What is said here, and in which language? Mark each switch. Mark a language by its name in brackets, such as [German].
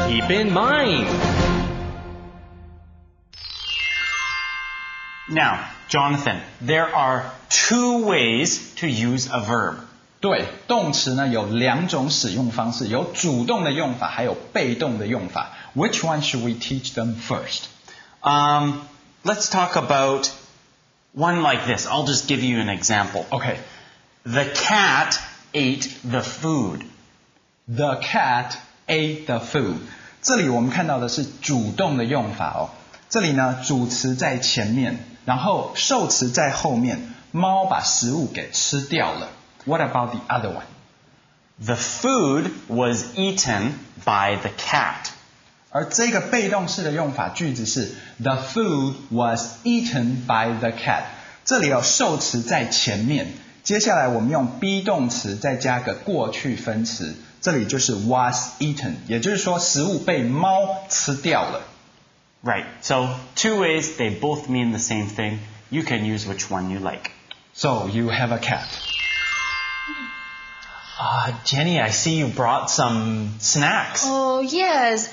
[English] in mind. Now, Jonathan, there are two ways to use a verb. [Chinese] 对，动词呢有两种使用方式，有主动的用法，还有被动的用法。 [English] Which one should we teach them first? Let's talk about one like this. I'll just give you an example. Okay. The cat ate the food. The cat ate the food. [Chinese] 这里我们看到的是主动的用法哦。这里呢，主词在前面，然后受词在后面。猫把食物给吃掉了。 [English] What about the other one? The food was eaten by the cat. [Chinese] 而这个被动式的用法句子是 [English] The food was eaten by the cat. [Chinese] 这里有受词在前面。接下来我们用 be 动词再加个过去分词。这里就是 was eaten, 也就是说食物被猫吃掉了。 [English] Right, so two ways, they both mean the same thing. You can use which one you like. So, you have a cat. Jenny, I see you brought some snacks. Oh, yes.